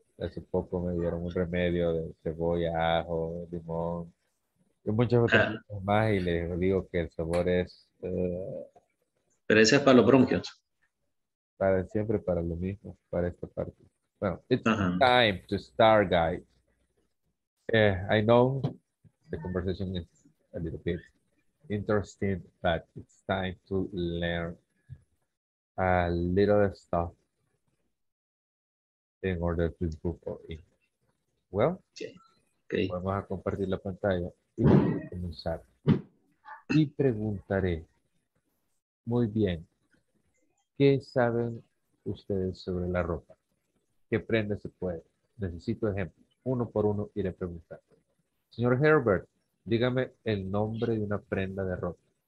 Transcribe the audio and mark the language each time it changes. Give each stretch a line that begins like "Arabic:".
Spanish: Hace poco me dieron un remedio de cebolla, ajo, limón. Y muchas otras cosas más y les digo que el sabor es... Pero ese es para los bronquios. Para siempre, para lo mismo, para esta parte.
English: Bueno, it's time to start, guys. I know the conversation is a little bit interesting, but it's time to learn a little stuff in order to improve our English. Well, okay. Okay.
Spanish: Vamos a compartir la pantalla y comenzar. Y preguntaré, muy bien, ¿qué saben ustedes sobre la ropa? ¿Qué prenda se puede? Necesito ejemplos. Uno por uno iré preguntando. Señor Herbert, dígame el nombre de una prenda de ropa.